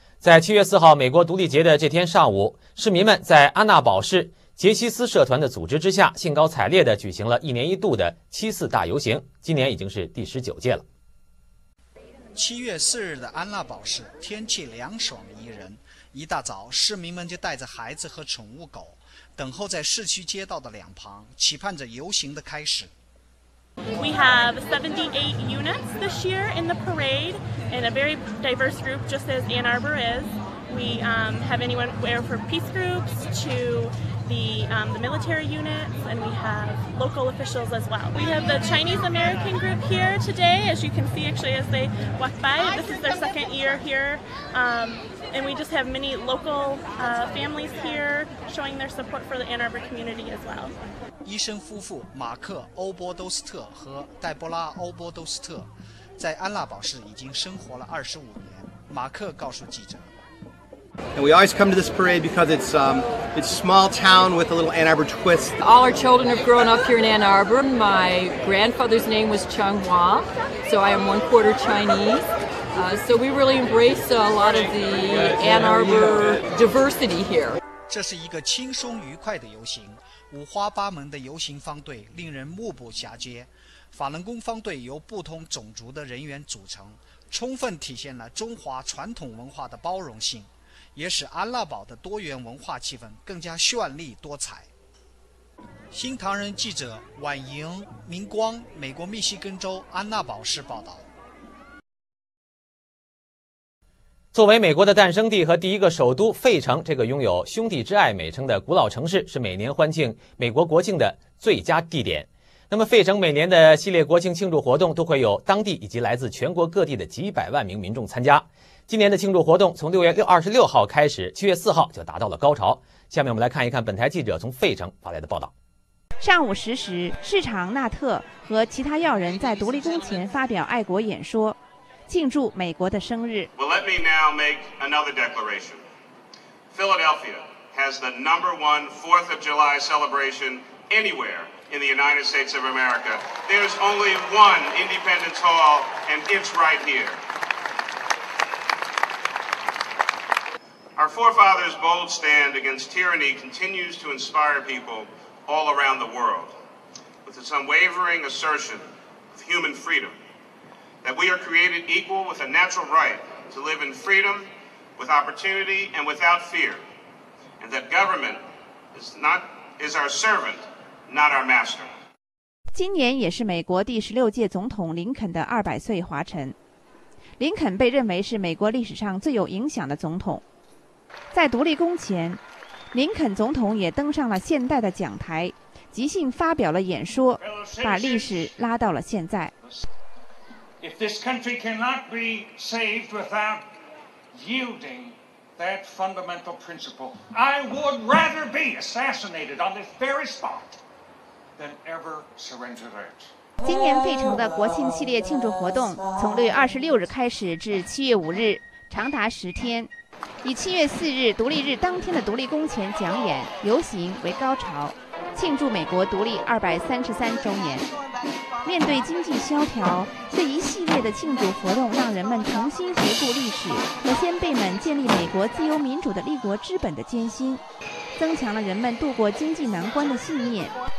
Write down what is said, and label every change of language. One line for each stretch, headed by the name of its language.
Chinese: 在7月4号美国独立节的这天上午，市民们在安娜堡市杰西斯社团的组织之下，兴高采烈地举行了一年一度的七四大游行，今年已经是第19届了。 7月4日的安娜堡市天气凉爽宜人，一大早市民们就带着孩子和宠物狗等候在市区街道的两旁，期盼着游行的开始。
English: We have 78 units this year in the parade, and a very diverse group, just as Ann Arbor is. We have anywhere from peace groups to the military units, and we have local officials as well. We have the Chinese American group here today, as you can see actually as they walk by. This is their second year here, and we just have many local families here showing their support for the Ann Arbor community as well.
Chinese: 医生夫妇马克·欧波多斯特和黛波拉·欧波多斯特在安娜堡市已经生活了25年。马克告诉记者
English: ：“And we always come to this parade because it's small town with a little Ann Arbor twist. All our children have grown up here in Ann Arbor. My grandfather's name was Chang Hua, so I am one quarter Chinese.” So we really embrace a lot of the Ann Arbor diversity here.
Chinese: 这是一个轻松愉快的游行，五花八门的游行方队令人目不暇接。法轮功方队由不同种族的人员组成，充分体现了中华传统文化的包容性，也使安娜堡的多元文化气氛更加绚丽多彩。新唐人记者婉莹、明光，美国密西根州安娜堡市报道。作为美国的诞生地和第一个首都费城，这个拥有兄弟之爱美称的古老城市是每年欢庆美国国庆的最佳地点。那么费城每年的系列国庆庆祝活动都会有当地以及来自全国各地的几百万名民众参加。今年的庆祝活动从6月26号开始，7月4号就达到了高潮。下面我们来看一看本台记者从费城发来的报道。上午10时，市长纳特和其他要人在独立宫前发表爱国演说，庆祝美国的生日。
English: Well, let me now make another declaration. Philadelphia has the number one 4th of July celebration anywhere in the United States of America. There's only one Independence Hall, and it's right here. Our forefathers' bold stand against tyranny continues to inspire people all around the world with its unwavering assertion of human freedom. That we are created equal with a natural right to live in freedom, with opportunity, and without fear. And that government is our servant, not our master.
Chinese: 今年也是美国第16届总统林肯的200岁华晨。林肯被认为是美国历史上最有影响的总统。在独立宫前，林肯总统也登上了现代的讲台，即兴发表了演说，把历史拉到了现在。
English: If this country cannot be saved without yielding that fundamental principle, I would rather be assassinated on this very spot than ever surrender it.
Chinese: 今年费城的国庆系列庆祝活动从6月26日开始至7月5日，长达10天，以7月4日独立日当天的独立宫前讲演游行为高潮，庆祝美国独立233周年。面对经济萧条，这一系列的庆祝活动让人们重新回顾历史和先辈们建立美国自由民主的立国之本的艰辛，增强了人们度过经济难关的信念。